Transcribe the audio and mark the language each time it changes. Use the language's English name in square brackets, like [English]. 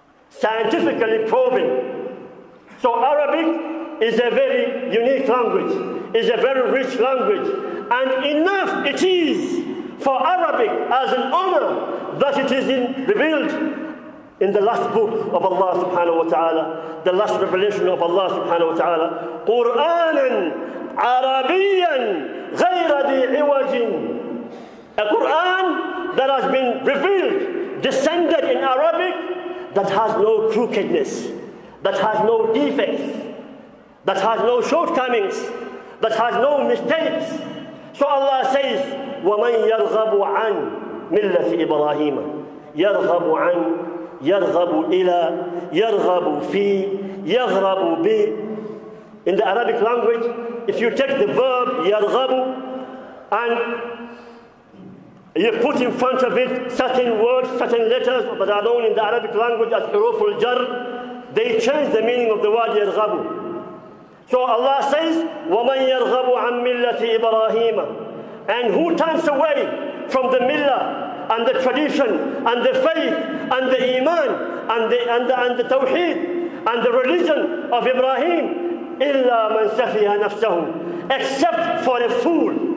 [English] Scientifically proven. So Arabic is a very unique language, is a very rich language, and enough it is for Arabic as an honor that it is revealed in the last book of Allah subhanahu wa ta'ala, the last revelation of Allah subhanahu wa ta'ala, Quranan Arabian, [Arabic] غَيْرَ ذِي عِوَجٍ. [English] A Quran that has been revealed, descended in Arabic, that has no crookedness, that has no defects, that has no shortcomings, that has no mistakes. So Allah says, [Arabic] وَمَنْ يَرْغَبُ عَنْ مِلَّةِ إِبْرَاهِيمَ يَرْغَبُ عَنْ يَرْغَبُ إِلَى يَرْغَبُ فِي يَرْغَبُ بِ. [English] In the Arabic language, if you take the verb يَرْغَبُ and you put in front of it certain words, certain letters that are known in the Arabic language as [Arabic] حُرُوفُ الْجَرْ, [English] they change the meaning of the word يَرْغَبُ. So Allah says, [Arabic] وَمَنْ يَرْغَبُ عَنْ مِلَّةِ إِبْرَاهِيمَ. [English] And who turns away from the millah and the tradition and the faith and the iman and the tawheed and the religion of Ibrahim? [Arabic] إِلَّا مَنْ سَفِيهَ نَفْسَهُ. [English] Except for a fool.